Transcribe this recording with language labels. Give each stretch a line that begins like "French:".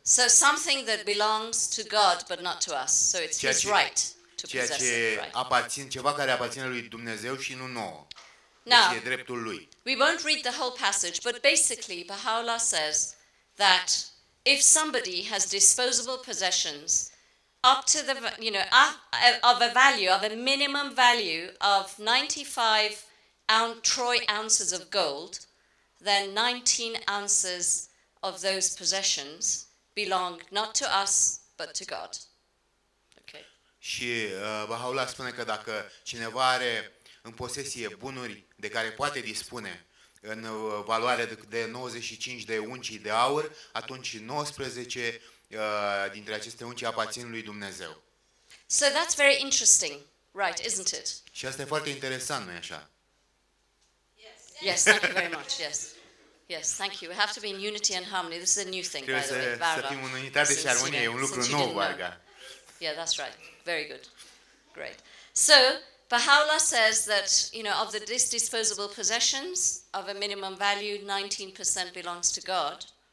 English: So, something that belongs to God, but not to us. So, it's his right to possess it, right?
Romanian: Aparține, ceva care aparține lui Dumnezeu și nu nouă. Now, deci, e dreptul lui.
English: We won't read the whole passage, but basically, Baha'u'llah says that... If somebody has disposable possessions up to the, you know, of a value, of a minimum value of 95 troy ounces of gold, then 19 ounces of those possessions belong not to us, but to God. Okay.
Romanian: Și Baha'u'llah spune că dacă cineva are în posesie bunuri de care poate dispune, în valoare de 95 de uncii de aur, atunci 19 dintre aceste uncii aparțin lui Dumnezeu.
English: So that's very interesting, right, isn't it?
Romanian: Și asta e foarte interesant, nu-i așa?
English: Yes, thank you very much, yes. Yes, thank you. We have to be in unity and harmony. This is a new thing,
Romanian: trebuie
English: by the way, Varga.
Romanian: Trebuie să fim în unitate și armonie, e un lucru nou, Varga.
English: Yeah, that's right. Very good. Great. So... Baha'u'llah says that, you know, of the disposable possessions of a minimum value, 19% belongs to God.